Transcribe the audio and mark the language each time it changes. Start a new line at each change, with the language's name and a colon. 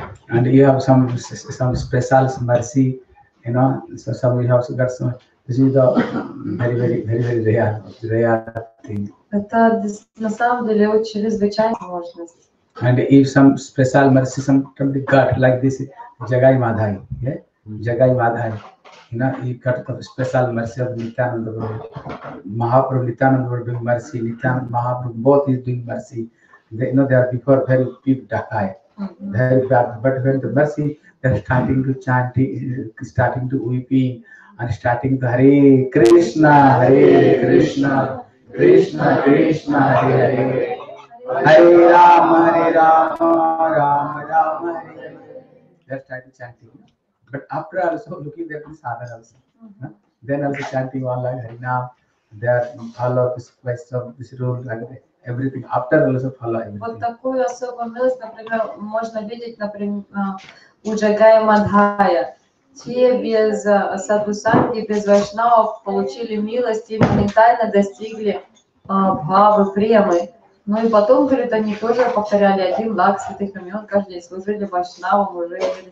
English: And you have some special mercy, you know, so some we have got some. This is a very rare thing. Это на самом деле чрезвычайная возможность. And if some special mercy, somebody got like this, Jagai Madhai, yeah? Jagai Madhai, you know, he got the special mercy of Nityananda Prabhu. Mahaprabhu, Nityananda Prabhu doing mercy, Nityananda Mahaprabhu, both is doing mercy. They, you know, they are before very deep dakai, very bad, but when the mercy, they're starting to chant, starting to weeping, and starting to Hare Krishna, Hare Krishna, Krishna Krishna, Hare Hare. Hare Rama, Hare Rama, Rama Rama, Hare Hare. They're starting chanting. But after also looking at the sadhana also. Then also chanting all like Hare Nam, they're follow this question, this rule, like everything. After also follow everything.
Russian: Вот такую особую милость, например, можно видеть, например, у Джагая Мадхая. Те без садху-санги, без вайшнавов получили милость и моментально достигли бхавы, премы. Ну и потом, говорит, они тоже повторяли один лак святых имен каждый день, служили вайшнавам, уже имели